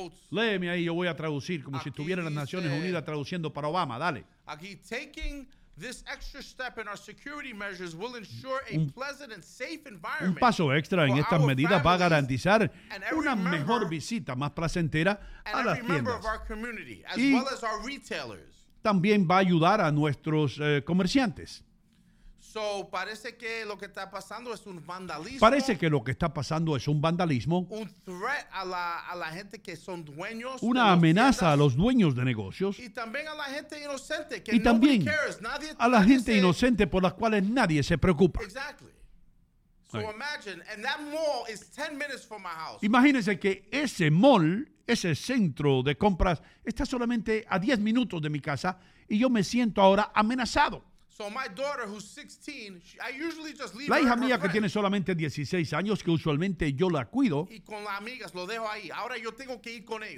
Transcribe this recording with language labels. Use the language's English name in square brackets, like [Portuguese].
[Spanish] Léeme ahí, yo voy a traducir como si estuviera las Naciones Unidas traduciendo para Obama, dale. Aquí, [English] taking this extra step in our security measures will ensure a pleasant and safe environment. [Spanish] Un paso extra en estas medidas va a garantizar una mejor visita, más placentera a las tiendas. Y también va a ayudar a nuestros comerciantes. So, parece que lo que está pasando es un vandalismo. Un threat a la gente que son dueños. Una amenaza a los dueños de negocios. Y también a la gente inocente. Y también a la gente inocente por las cuales nadie se preocupa. [English] Exactly. So, imagine, and that mall is 10 minutes from my house. [Spanish] Imagínense que ese mall, ese centro de compras, está solamente a 10 minutos de mi casa y yo me siento ahora amenazado. [English] So my daughter, who's 16, I usually just leave [Spanish] la hija [English] her [Spanish] mía [English] her [Spanish] que tiene solamente 16 años, que usualmente yo la cuido. Y con las amigas, lo dejo ahí. Ahora yo tengo que ir con ellos.